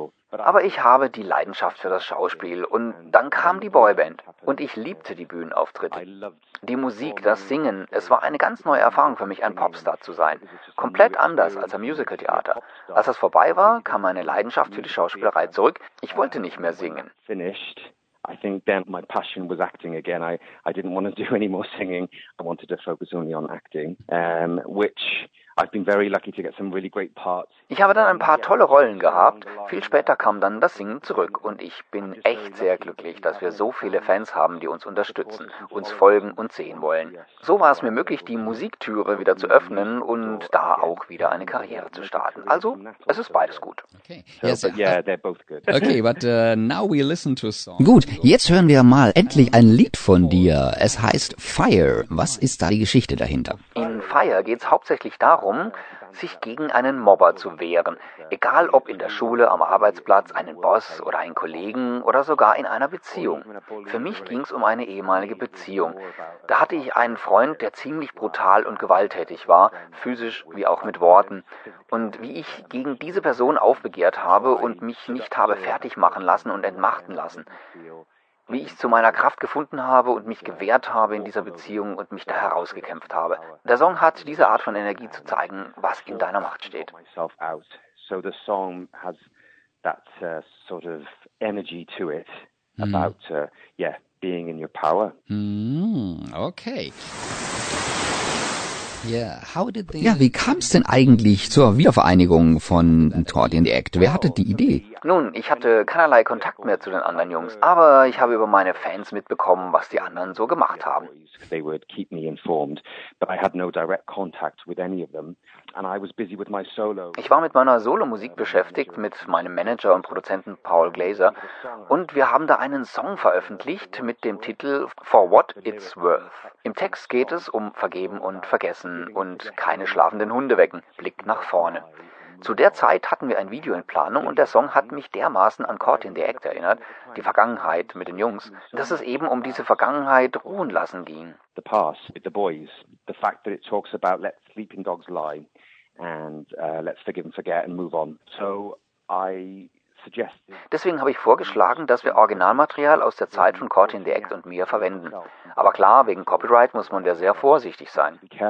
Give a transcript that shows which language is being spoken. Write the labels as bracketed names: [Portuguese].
[German] Aber ich habe die Leidenschaft für das Schauspiel und dann kam die Boyband und ich liebte die Bühnenauftritte. Die Musik, das Singen, es war eine ganz neue Erfahrung für mich, ein Popstar zu sein. Komplett anders als am Musicaltheater. Als das vorbei war, kam meine Leidenschaft für die Schauspielerei zurück. Ich wollte nicht mehr singen. [English] I think then my passion was acting again. I didn't want to do any more singing. I wanted to focus only on acting, which I've been very lucky to get some really great parts. [German] Ich habe dann ein paar tolle Rollen gehabt. Viel später kam dann das Singen zurück und ich bin echt sehr glücklich, dass wir so viele Fans haben, die uns unterstützen, uns folgen und sehen wollen. So war es mir möglich, die Musiktüre wieder zu öffnen und da auch wieder eine Karriere zu starten. Also, es ist beides gut. [English] Okay. Yes, yeah, they're both good. Okay, but now we listen to a song. [German] Gut, jetzt hören wir mal endlich ein Lied von dir. Es heißt Fire. Was ist da die Geschichte dahinter? In Fire geht's hauptsächlich darum, sich gegen einen Mobber zu wehren. Egal ob in der Schule, am Arbeitsplatz, einen Boss oder einen Kollegen oder sogar in einer Beziehung. Für mich ging es um eine ehemalige Beziehung. Da hatte ich einen Freund, der ziemlich brutal und gewalttätig war, physisch wie auch mit Worten. Und wie ich gegen diese Person aufbegehrt habe und mich nicht habe fertig machen lassen und entmachten lassen. Wie ich zu meiner Kraft gefunden habe und mich gewehrt habe in dieser Beziehung und mich da herausgekämpft habe. Der Song hat diese Art von Energie zu zeigen, was in deiner Macht steht. [English] So the song has that sort of energy to it about being in your power. Okay. [German] Ja, wie kam es denn eigentlich zur Wiedervereinigung von Tordi and the Act? Wer hatte die Idee? Nun, ich hatte keinerlei Kontakt mehr zu den anderen Jungs, aber ich habe über meine Fans mitbekommen, was die anderen so gemacht haben. [English] They would keep me informed, but I had no direct contact with any of them. And I was busy with my solo. [German] Ich war mit meiner Solo-Musik beschäftigt, mit meinem Manager und Produzenten Paul Glaser. Und wir haben da einen Song veröffentlicht mit dem Titel For What It's Worth. Im Text geht es um Vergeben und Vergessen und keine schlafenden Hunde wecken, Blick nach vorne. Zu der Zeit hatten wir ein Video in Planung und der Song hat mich dermaßen an Caught in the Act erinnert, die Vergangenheit mit den Jungs, dass es eben um diese Vergangenheit ruhen lassen ging. [English] The past with the boys, the fact that it talks about let sleeping dogs lie and let's forgive and forget and move on. So I suggest. [German] Deswegen habe ich vorgeschlagen, dass wir Originalmaterial aus der Zeit von Caught in the Act und mir verwenden. Aber klar, wegen Copyright muss man da sehr vorsichtig sein.